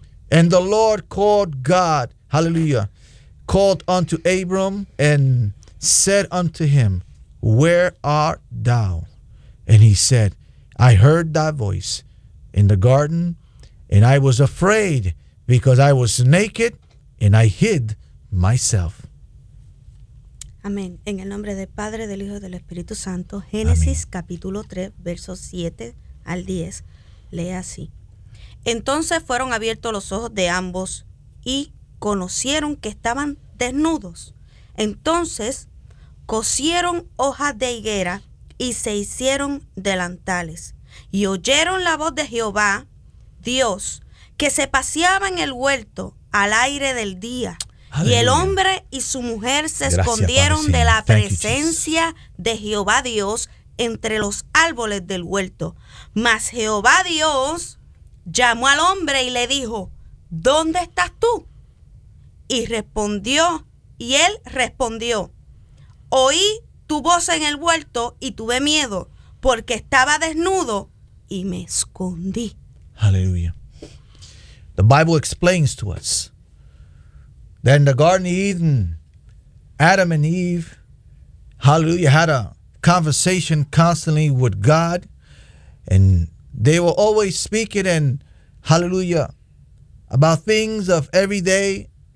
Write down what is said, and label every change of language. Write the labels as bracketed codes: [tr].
[en] And the Lord called God, hallelujah, called unto Abram and said unto him, where art thou? And he said, I heard thy voice in the garden, and I was afraid because I was naked and I hid myself. [es] Amén. En el nombre del Padre, del Hijo y del Espíritu Santo, Génesis Amén. Capítulo 3, versos 7 al 10, lee así. Entonces fueron abiertos los ojos de ambos y conocieron que estaban desnudos. Entonces cosieron hojas de higuera y se hicieron delantales. Y oyeron la voz de Jehová, Dios, que se paseaba en el huerto al aire del día. Aleluya. Y el hombre y su mujer se Gracias, escondieron Padre, de la presencia de Jehová Dios entre los árboles del huerto. Mas Jehová Dios llamó al hombre y le dijo, ¿dónde estás tú? Y él respondió, oí tu voz en el huerto y tuve miedo, porque estaba desnudo y me escondí. Aleluya. [en] The Bible explains to us that in the Garden of Eden, Adam and Eve, hallelujah, had a conversation constantly with God, and they were always speaking and hallelujah, about things of every day.